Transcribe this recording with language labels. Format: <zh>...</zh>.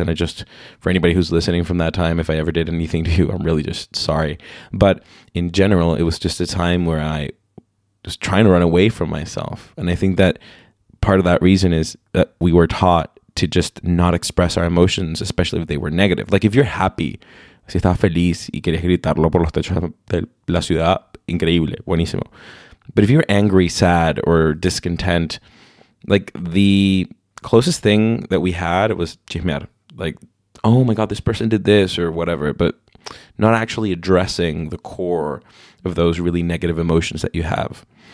<en>And I just, for anybody who's listening from that time, if I ever did anything to you, I'm really just sorry. But in general, it was just a time where I was trying to run away from myself. And I think that part of that reason is that we were taught to just not express our emotions, especially if they were negative. Like, if you're happy,</en> <es>si estás feliz y quieres gritarlo por los techos de la ciudad, increíble, buenísimo.</es> <en>But if you're angry, sad, or discontent, like, the closest thing that we had was chismear. Like, oh my God, this person did this or whatever, but not actually addressing the core of those really negative emotions that you have.</en>